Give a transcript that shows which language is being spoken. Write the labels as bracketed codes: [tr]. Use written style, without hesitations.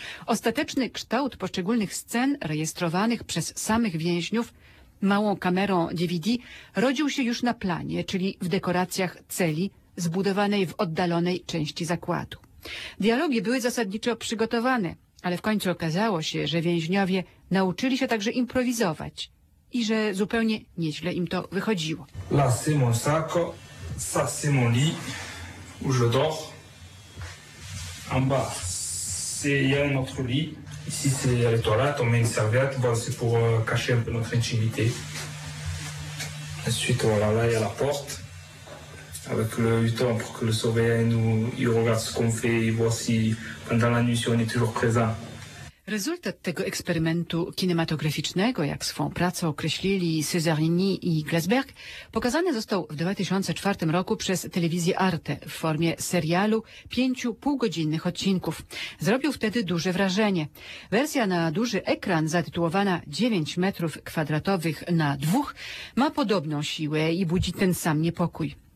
[pl] Ostateczny kształt poszczególnych scen rejestrowanych przez samych więźniów małą kamerą DVD rodził się już na planie, czyli w dekoracjach celi zbudowanej w oddalonej części zakładu. Dialogi były zasadniczo przygotowane, ale w końcu okazało się, że więźniowie nauczyli się także improwizować i że zupełnie nieźle im to wychodziło. [fr] Là c'est mon sac, ça c'est mon lit, où je dors, en bas. Il y a un autre lit, ici c'est les toilettes, on met une serviette, bon, c'est pour cacher un peu notre intimité. Ensuite, voilà, là il y a la porte, avec le hutton pour que le surveillant nous il regarde ce qu'on fait, il voit si pendant la nuit si on est toujours présent. [pl] Rezultat tego eksperymentu kinematograficznego, jak swą pracę określili Cesarini i Glasberg, pokazany został w 2004 roku przez telewizję Arte w formie serialu 5 półgodzinnych odcinków. Zrobił wtedy duże wrażenie. Wersja na duży ekran zatytułowana 9 metrów kwadratowych na dwóch ma podobną siłę i budzi ten sam niepokój.